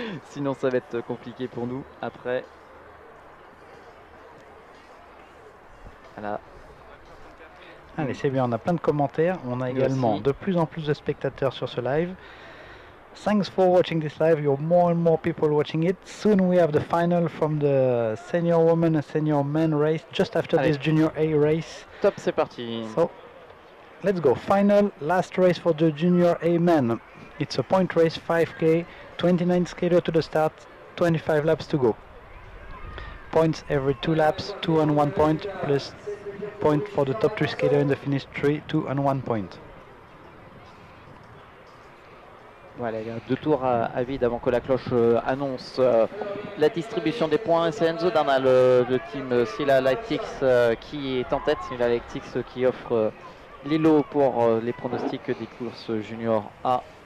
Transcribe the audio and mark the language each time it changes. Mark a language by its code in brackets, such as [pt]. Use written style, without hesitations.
[fr] Sinon ça va être compliqué pour nous après. Voilà. Allez, c'est bien, on a plein de commentaires. On a également de plus en plus de spectateurs sur ce live. [en] Thanks for watching this live. You're more and more people watching it. Soon we have the final from the senior woman and senior man race just after this junior A race. [fr] Top, c'est parti. [en] So, let's go. Final, last race for the junior A men. It's a point race, 5K, 29 skaters to the start, 25 laps to go. Points every 2 laps, 2 and 1 point, plus point for the top 3 skater in the finish, 3, 2 and 1 point. [fr] Voilà, il y a 2 tours à vide avant que la cloche annonce la distribution des points. C'est Enzo Darnal, le team Silla Lactics qui est en tête. Silla Lactics qui offre les lots pour les pronostics des courses junior A.